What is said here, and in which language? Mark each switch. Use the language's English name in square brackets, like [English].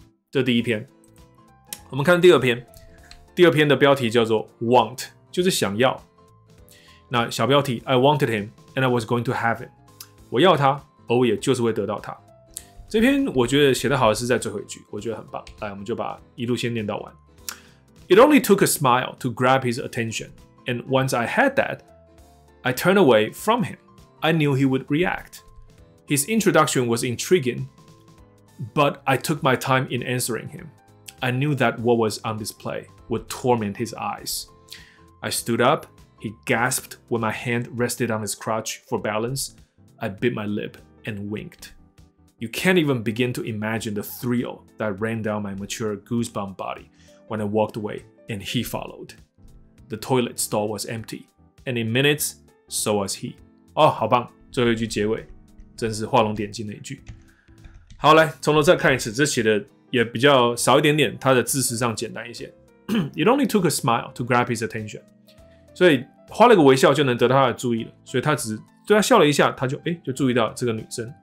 [Chinese] 这第一篇，我们看第二篇。第二篇的标题叫做 [English] "Want"， [Chinese] 就是想要。那小标题 [English] "I wanted him and I was going to have it"， [Chinese] 我要他，而我也就是会得到他。这篇我觉得写得好的是在最后一句，我觉得很棒。来，我们就把一路先念到完。 [English] It only took a smile to grab his attention, and once I had that, I turned away from him. I knew he would react. His introduction was intriguing, but I took my time in answering him. I knew that what was on display would torment his eyes. I stood up. He gasped when my hand rested on his crotch for balance. I bit my lip and winked. You can't even begin to imagine the thrill that ran down my mature goosebump body when I walked away and he followed. The toilet stall was empty, and in minutes, so was he. [Chinese] Oh, 好棒，最后一句结尾。真是画龙点睛的一句。好，来从头再看一次，这写的也比较少一点点，它的字词上简单一些。 [English] It only took a smile to grab his attention， [Chinese] 所以花了个微笑就能得到他的注意了，所以他只对他笑了一下，他就就注意到这个女生。